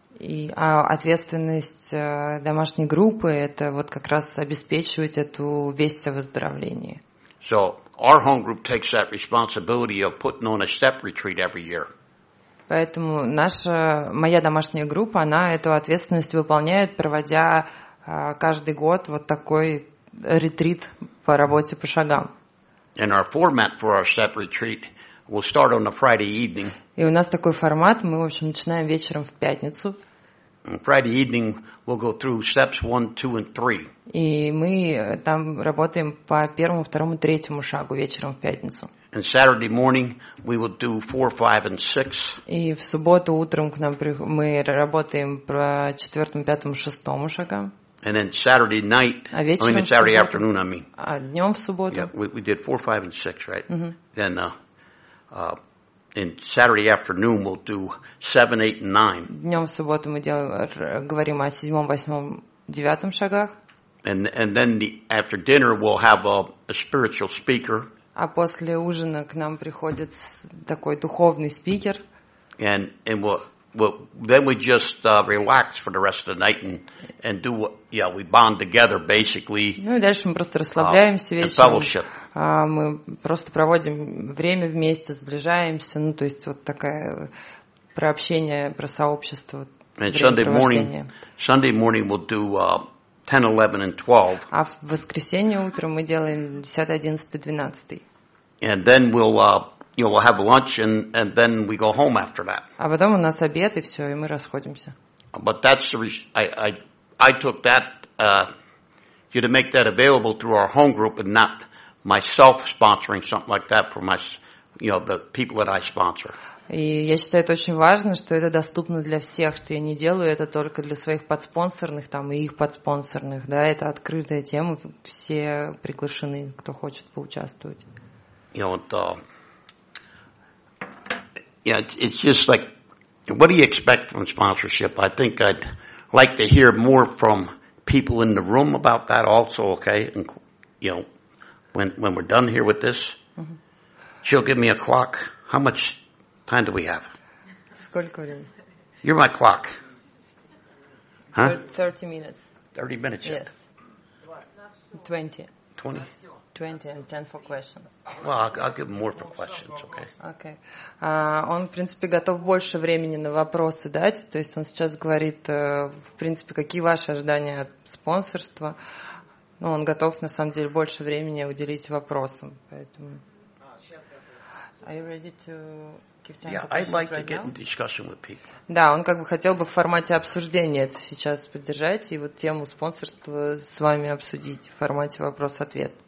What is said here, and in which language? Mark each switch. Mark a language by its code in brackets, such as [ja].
[ru] И ответственность домашней группы это вот как раз обеспечивать эту весть о выздоровлении. [en] So our home group takes that responsibility of putting on a step retreat every year. [ru] Поэтому моя домашняя группа, она эту ответственность выполняет, проводя каждый год вот такой ретрит по работе по шагам. [en] And our format for our step retreat will start on a Friday evening. [ru] И у нас такой формат, мы, в общем, начинаем вечером в пятницу. [en] Friday evening we'll go through steps 1, 2, and 3. [ru] И мы там работаем по первому, второму, третьему шагу вечером в пятницу. [en] And Saturday morning we will do 4, 5, and 6. [ru] И в субботу утром к нам мы работаем по четвертому, пятому, шестому шагам. [en] And then Saturday night, Saturday afternoon, I mean. [ru] А днем в субботу. [en] Yeah, we did 4, 5, and 6, right? Mm-hmm. Then in Saturday afternoon we'll do 7, 8, and 9. [ru] Днем в субботу мы говорим о седьмом, восьмом, девятом шагах. [en] And then after dinner we'll have a spiritual speaker. [ru] А после ужина к нам приходит такой духовный спикер. [en] And then we just relax for the rest of the night and do what, yeah, we bond together basically. [ru] Ну и дальше мы просто расслабляемся вечером. [en] And fellowship. [ru] Мы просто проводим время вместе, сближаемся, ну то есть вот такое прообщение, про сообщество. [en] And Sunday morning we'll do 10, 11, and 12. [ru] А в воскресенье утром мы делаем 10, 11, 12. [en] And then we'll have lunch and then we go home after that. [ru] А потом у нас обед и все, и мы расходимся. [en] But that's I took that you to make that available through our home group and not myself sponsoring something like that for my, you know, the people that I sponsor. [ru] И я считаю, это очень важно, что это доступно для всех, что я не делаю это только для своих подспонсорных там и их подспонсорных, да, это открытая тема, все приглашены, кто хочет поучаствовать. [en] You know, it's just like, what do you expect from sponsorship? I think I'd like to hear more from people in the room about that also, okay? And, you know, when we're done here with this, mm-hmm. She'll give me a clock. How much time do we have? [ru] Сколько времени? [en] You're my clock. Huh? 30 minutes. 30 minutes. Yes. 20. 20? 20 and 10 for questions. Well, I'll give more for questions, okay? Okay. [ru] Он, в принципе, готов больше времени на вопросы дать. То есть он сейчас говорит, в принципе, какие ваши ожидания от спонсорства. Но он готов, на самом деле, больше времени уделить вопросам. Поэтому... [en] Are you ready to give time for questions Yeah, I'd like to get in discussion with people. [ru] Да, он как бы хотел бы в формате обсуждения это сейчас поддержать и вот тему спонсорства с вами обсудить в формате вопрос-ответ.